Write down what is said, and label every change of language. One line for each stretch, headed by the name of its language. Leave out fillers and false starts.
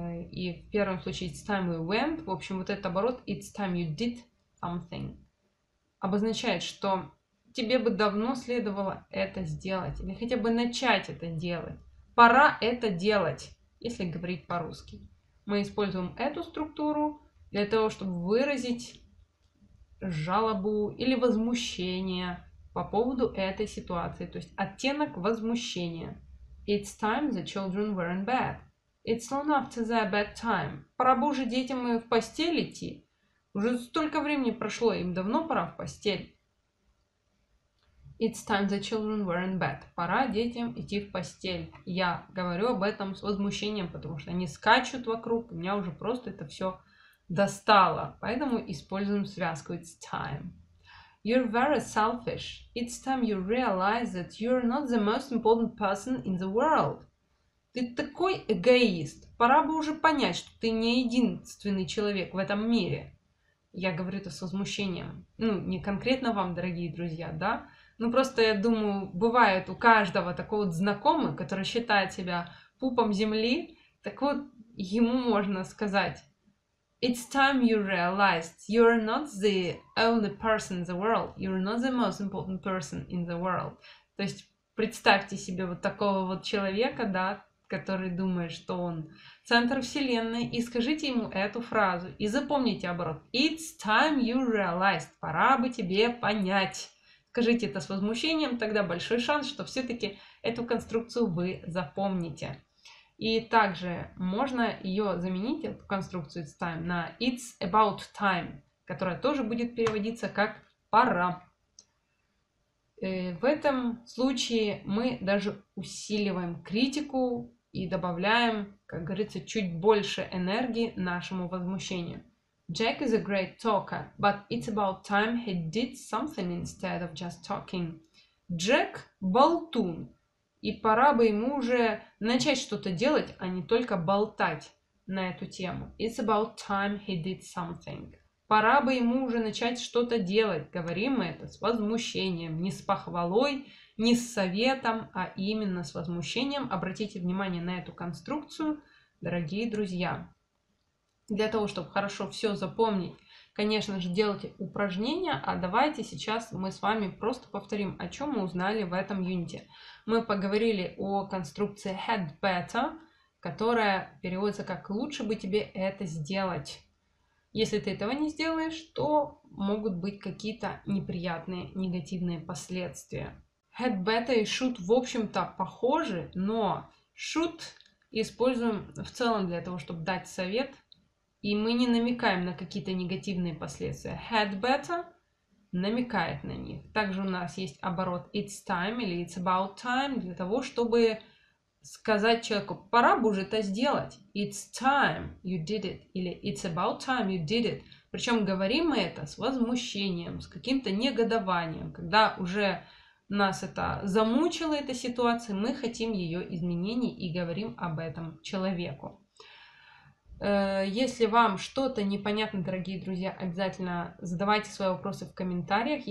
Russian: И в первом случае
English: it's time we went.
Russian: В общем, вот этот оборот,
English: it's time you did something,
Russian: обозначает, что тебе бы давно следовало это сделать, или хотя бы начать это делать. Пора это делать. Если говорить по-русски, мы используем эту структуру для того, чтобы выразить жалобу или возмущение по поводу этой ситуации, то есть оттенок возмущения.
English: It's time the children were in bed. It's long after their bedtime.
Russian: Пора бы уже детям и в постель идти. Уже столько времени прошло, им давно пора в постель.
English: It's time the children were in bed.
Russian: Пора детям идти в постель. Я говорю об этом с возмущением, потому что они скачут вокруг, меня уже просто это все достало. Поэтому используем связку it's time.
English: You're very selfish. It's time you realize that you're not the most important person in the world.
Russian: Ты такой эгоист. Пора бы уже понять, что ты не единственный человек в этом мире. Я говорю это с возмущением. Ну, не конкретно вам, дорогие друзья, да? Ну, просто я думаю, бывает у каждого такой вот знакомый, который считает себя пупом земли, так вот ему можно сказать
English: It's time you realized you're not the only person in the world,
Russian: you're not the most important person in the world. То есть представьте себе вот такого вот человека, да, который думает, что он центр вселенной, и скажите ему эту фразу, и запомните оборот
English: It's time you realized,
Russian: пора бы тебе понять. Скажите это с возмущением, тогда большой шанс, что все-таки эту конструкцию вы запомните. И также можно ее заменить, эту конструкцию it's time, на it's about time, которая тоже будет переводиться как пора. И в этом случае мы даже усиливаем критику и добавляем, как говорится, чуть больше энергии нашему возмущению.
English: Jack is a great talker, but it's about time he did something instead of just talking.
Russian: Jack – болтун, и пора бы ему уже начать что-то делать, а не только болтать на эту тему.
English: It's about time he did something.
Russian: Пора бы ему уже начать что-то делать, говорим мы это с возмущением, не с похвалой, не с советом, а именно с возмущением. Обратите внимание на эту конструкцию, дорогие друзья. Для того, чтобы хорошо все запомнить, конечно же, делайте упражнения, а давайте сейчас мы с вами просто повторим, о чем мы узнали в этом юните. Мы поговорили о конструкции had better, которая переводится как «лучше бы тебе это сделать». Если ты этого не сделаешь, то могут быть какие-то неприятные, негативные последствия. Had better и should, в общем-то, похожи, но should используем в целом для того, чтобы дать совет. И мы не намекаем на какие-то негативные последствия. Had better намекает на них. Также у нас есть оборот it's time или it's about time для того, чтобы сказать человеку, пора бы уже это сделать.
English: It's time you did it
Russian: или
English: it's about time you did it.
Russian: Причем говорим мы это с возмущением, с каким-то негодованием. Когда уже нас это замучило, эта ситуация, мы хотим ее изменений и говорим об этом человеку. Если вам что-то непонятно, дорогие друзья, обязательно задавайте свои вопросы в комментариях.